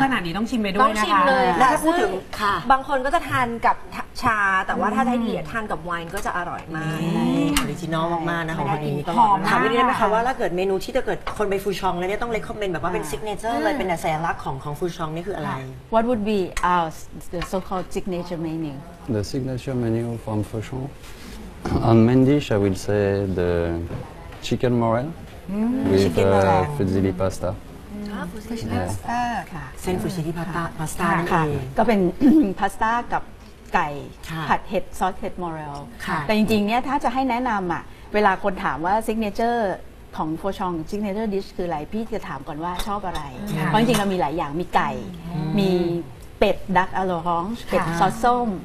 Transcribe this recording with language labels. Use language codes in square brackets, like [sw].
[th] ขนาดนี้ต้องชิมไปด้วยนะคะ ต้องชิมเลย ถ้าพูดถึงค่ะ บางคนก็จะทานกับ ชาแต่ว่าถ้าได้ดีทานกับไวน์ก็จะอร่อยมาก ออริจินอลมากๆนะของคนนี้หอม ถาม วินได้ไหมคะว่าถ้าเกิดเมนูที่จะเกิดคนไปฟูชองแล้วเนี่ยต้องเลคคอมเมนต์แบบว่าเป็นซิกเนเจอร์เลยเป็นสัญลักษณ์ของฟูชองนี่คืออะไร [en] What would be our the so called signature menu The signature menu from Fouchon on main dish I will say the chicken morel with fusilli pasta [th] เส้นฟูชิที่พาสต้าค่ะ ก็เป็นพาสต้ากับไก่ผัดเห็ดซอสเห็ดมอร์เรลแต่จริงๆเนี่ยถ้าจะให้แนะนำอ่ะเวลาคนถามว่าซิกเนเจอร์ของฟูชองซิกเนเจอร์ดิชคืออะไรพี่จะถามก่อนว่าชอบอะไรเพราะจริงๆเรามีหลายอย่างมีไก่มีเป็ดดักอโลฮองเป็ดซอสส้ม